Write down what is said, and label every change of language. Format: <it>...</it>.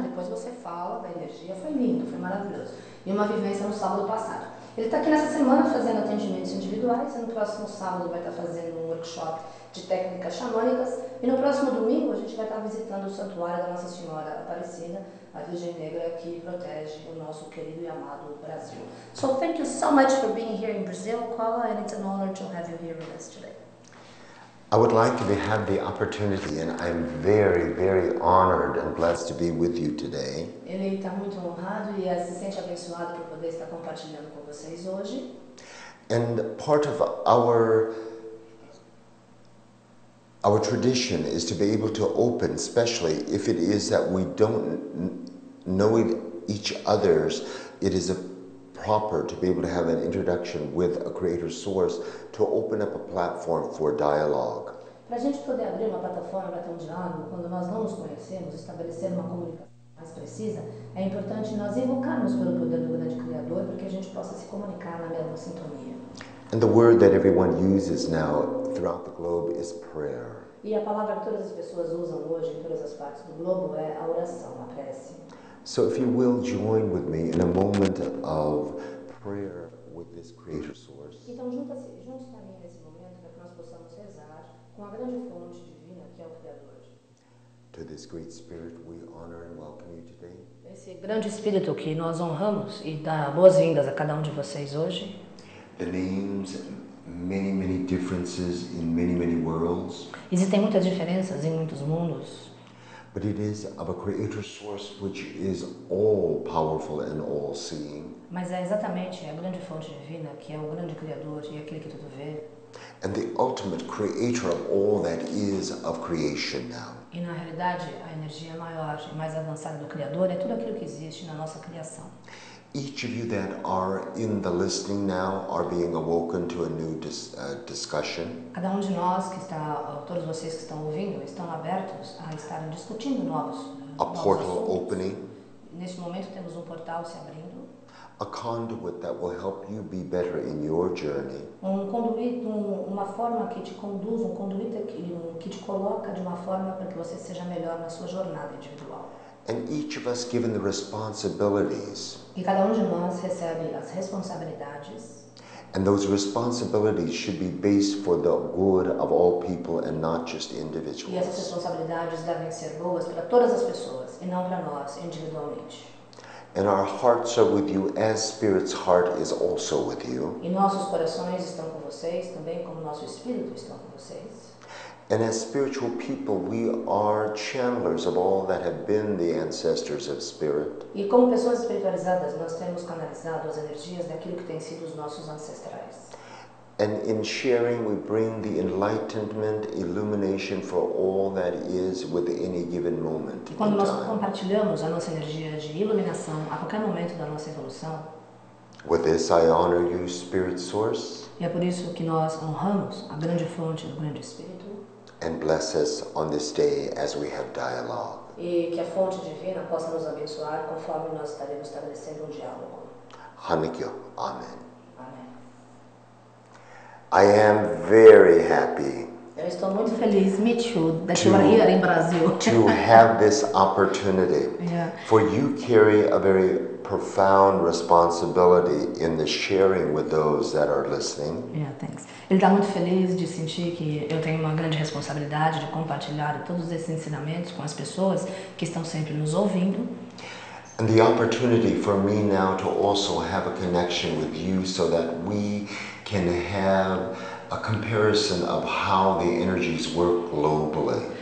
<pt>Depois você fala da energia, foi lindo, foi maravilhoso. E uma vivência no sábado passado. Ele está aqui nessa semana fazendo atendimentos individuais, e no próximo sábado vai estar fazendo um workshop de técnicas xamânicas, e no próximo domingo a gente vai estar visitando o santuário da Nossa Senhora Aparecida, a Virgem Negra, que protege o nosso querido e amado Brasil.</pt> <en>So thank you so much for being here in Brazil, UQUALLA, and it's an honor to have you here with us today. I would like to have the opportunity, and I'm very, very honored and blessed to be with you today.</en> <pt>Ele está muito honrado e se sente abençoado por poder estar compartilhando com vocês hoje.</pt> <en>And part of our tradition is to be able to open, especially if it is that we don't know each other's, it is a proper to be able to have an introduction with a creator source to open up a platform for dialogue.</en> <pt>Para a gente poder abrir uma plataforma para ter diálogo, quando nós não nos conhecemos, estabelecer uma comunicação mais precisa, é importante nós invocarmos pelo poder do grande criador para que a gente possa se comunicar na mesma sintonia.</pt> <en>And the word that everyone uses now throughout the globe is prayer.</en> <pt>E a palavra que todas as pessoas usam hoje em todas as partes do globo é a oração, a prece.</pt> <en>So if you will join with me in a moment of prayer with this creator source.</en> <pt>Então juntos também nesse momento para que nós possamos rezar com a grande fonte divina que é o criador.</pt> <en>To this great spirit we honor and welcome you today.</en> <pt>Esse grande espírito que nós honramos e dá boas-vindas a cada um de vocês hoje.</pt> <en>The names, many, many differences in many, many worlds.</en> <pt>Existem muitas diferenças em muitos mundos.</pt> <en>But it is of a creator source which is all powerful and all seeing.</en> <pt>Mas é exatamente a grande fonte divina que é o grande criador e aquele que tudo vê.</pt> <en>And the ultimate creator of all that is of creation now.</en> <pt>E na realidade a energia maior e mais avançada do criador é tudo aquilo que existe na nossa criação.</pt> <en>Each of you that are in the listening now are being awoken to a new discussion.</en> <pt>Cada um de nós que está, todos vocês que estão ouvindo, estão abertos a estar discutindo novos.</pt> <en>A portal opening.</en> <pt>Neste momento temos portal se abrindo.</pt> <en>A conduit that will help you be better in your journey.</en> <pt>Uma forma que te conduz, conduíte que te coloca de uma forma para que você seja melhor na sua jornada individual.</pt> <en>And each of us given the responsibilities.</en> <pt>E cada de nós recebe as responsabilidades.</pt> <en>And those responsibilities should be based for the good of all people and not just individuals.</en> <pt>E essas responsabilidades devem ser boas para todas as pessoas e não para nós individualmente.</pt> <en>And our hearts are with you as Spirit's heart is also with you.</en> <pt>E nossos corações estão com vocês também como nosso espírito está com vocês.</pt> <en>And as spiritual people, we are channelers of all that have been the ancestors of spirit.</en> <pt>E como pessoas espiritualizadas, nós temos canalizado as energias daquilo que tem sido os nossos ancestrais.</pt> <en>And in sharing, we bring the enlightenment, illumination for all that is with any given moment.</en> <pt>E quando nós compartilhamos a nossa energia de iluminação a qualquer momento da nossa evolução.</pt> <en>With this, I honor you, Spirit Source.</en> <pt>E é por isso que nós honramos a grande fonte do grande espírito.</pt> <en>And bless us on this day as we have dialogue.</en> <pt>E que a fonte divina possa nos abençoar conforme nós estaremos estabelecendo diálogo. Hanukkah. Amen. Amen.</pt> <en>I am very happy.</en> <pt>Eu estou muito feliz,</pt> <en>me too,</en> <pt>de estar aqui no Brasil.</pt> <en>To have this opportunity. Yeah. For you carry a very profound responsibility in the sharing with those that are listening. Yeah, thanks.</en> <pt>Ele está muito feliz de sentir que eu tenho uma grande responsabilidade de compartilhar todos esses ensinamentos com as pessoas que estão sempre nos ouvindo.</pt> <en>And the opportunity for me now to also have a connection with you so that we can have a comparison of how the energies work globally.</en>